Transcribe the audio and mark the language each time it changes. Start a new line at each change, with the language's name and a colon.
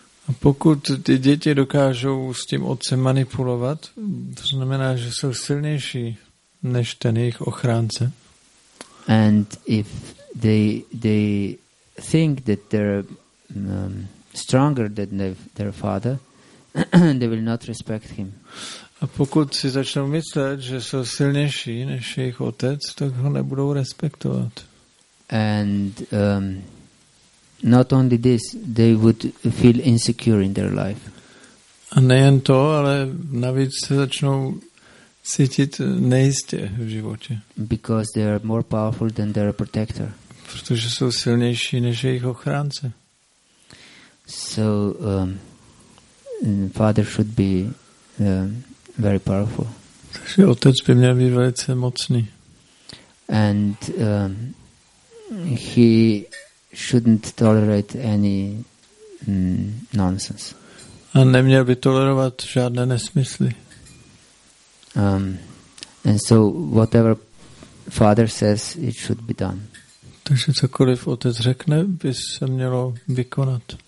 Czech: A pokud ty děti dokážou s tím otcem manipulovat, to znamená, že jsou silnější než ten jejich ochránce.
English: And if they think that they're stronger than their father, they will not respect him.
Czech: A pokud si začnou myslet, že jsou silnější než jejich otec, tak ho nebudou respektovat.
English: And not only this, they would feel insecure in their life.
Czech: A nejen to, ale navíc se začnou cítit nejistě v životě.
English: Because they are more powerful than their protector.
Czech: Protože jsou silnější než jejich ochránce.
English: So father should be very powerful.
Czech: Takže otec by měl být velice mocný.
English: And he shouldn't tolerate any nonsense.
Czech: A neměl by tolerovat žádné nesmysly.
English: And so whatever father says, it should be done.
Czech: Takže cokoliv otec řekne, by se mělo vykonat.